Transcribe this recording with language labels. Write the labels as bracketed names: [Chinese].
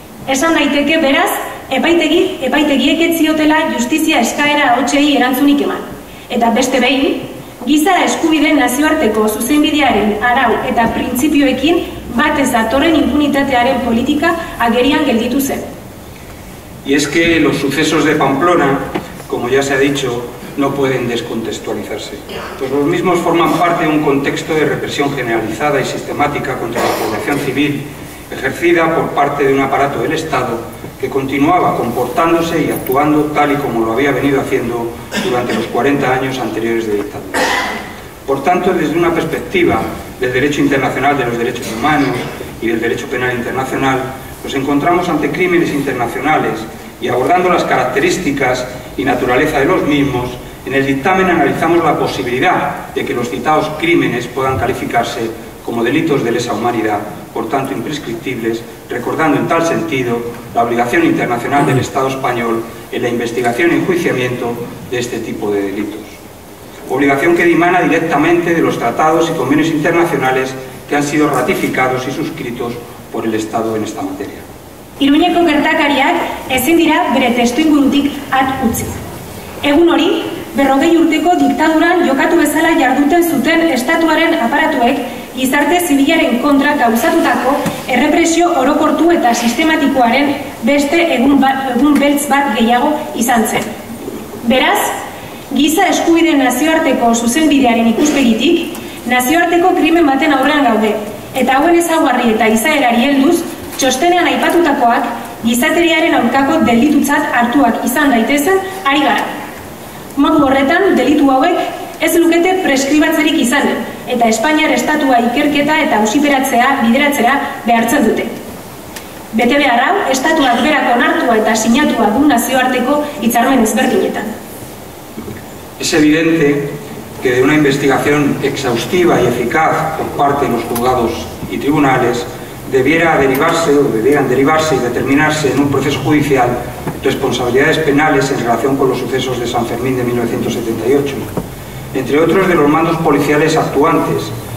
[Basque] Esan daiteke, beraz, epaitegiek ez ziotela justizia eskaera hotxei erantzunik eman. Eta beste behin, giza eskubideen nazioarteko zuzenbidearen arau eta printzipioekin bat ez datorren impunitatearen politika agerian gelditu zen. [Spanish] Y es que los sucesos de Pamplona, como ya se ha dicho, no pueden descontextualizarse. Pues los mismos forman parte de un contexto de represión generalizada y sistemática contra la población civil, ejercida por parte de un aparato del Estado que continuaba comportándose y actuando tal y como lo había venido haciendo durante los 40 años anteriores de dictadura. Por tanto, desde una perspectiva del derecho internacional de los derechos humanos y del derecho penal internacional, nos encontramos ante crímenes internacionales y, abordando las características y naturaleza de los mismos, en el dictamen analizamos la posibilidad de que los citados crímenes puedan calificarse como delitos de lesa humanidad, por tanto imprescriptibles, recordando en tal sentido la obligación internacional del Estado español en la investigación y enjuiciamiento de este tipo de delitos. Obligación que dimana directamente de los tratados y convenios internacionales que han sido ratificados y suscritos por el Estado en esta materia. [Basque] Iruñeko gertakariak ezin dira bere testuingurutik at utzi. Egun hori, 40 urteko diktaduran jokatu bezala jarduten zuten estatuaren aparatuek gizarte zibilaren kontra gauzatutako errepresio orokortu eta sistematikoaren beste egun beltz bat gehiago izan zen. Beraz, giza eskubide nazioarteko zuzenbidearen ikuspegitik, nazioarteko krimen baten aurrean gaude, eta hauen ezaugarri eta izaerari helduz, txostenean aipatutakoak gizateriaren aurkako delitutzat hartuak izan daitezen ari gara. Modu horretan, delitu hauek ez lukete preskribatzerik izan, eta Espainiar Estatua ikerketa eta auziperatzea bideratzera behartzen dute. Bete behar hau, Estatuak berak onartua eta sinatua du nazioarteko hitzarmen ezberdinetan. [Spanish] Es evidente que de una investigación exhaustiva y eficaz por parte de los juzgados y tribunales debiera derivarse o debieran derivarse y determinarse en un proceso judicial responsabilidades penales en relación con los sucesos de San Fermín de 1978. Entre otros, de los mandos policiales actuantes,